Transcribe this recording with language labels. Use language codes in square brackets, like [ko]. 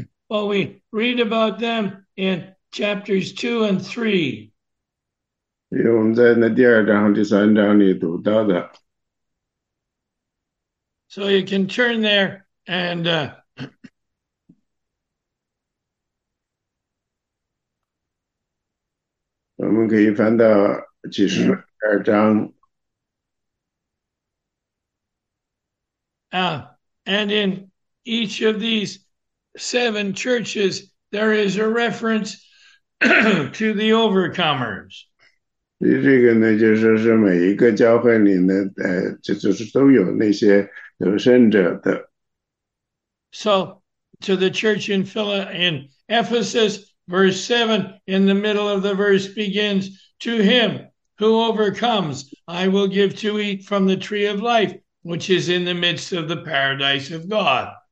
[en] Well, we read about them in chapters 2 and 3. [zh] 因为我们在那第二章和第三章里读到的， [en] So you can turn there and [zh] 我们可以翻到启示录二章。 [en] and in each of these seven churches, there is a reference to the overcomers. [zh] 这个呢，就是每一个教会里面，就是都有那些得胜者的。 [en] So, to the church in Ephesus, verse 7, in the middle of the verse begins, "To him who overcomes, I will give to eat from the tree of life, which is in the midst of the paradise of God."